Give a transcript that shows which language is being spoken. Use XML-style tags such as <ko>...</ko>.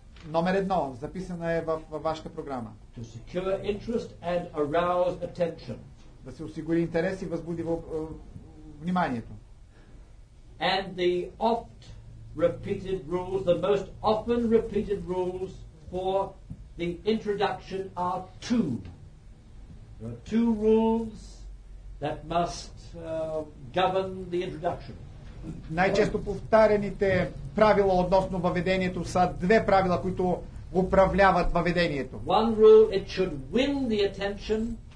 <bg>Номер едно, записана е във вашата програма.</bg> <en>To secure interest and arouse attention.</en> <bg>Да се осигури интерес и възбуди вниманието.</bg> <en>And the oft repeated rules, the most often repeated rules for the introduction are two. There are two rules that must govern the introduction.</en> <bg>Най-често повтаряните правила относно въведението са две правила, които управляват въведението.</bg> <en>One rule, it should win the attention.</en>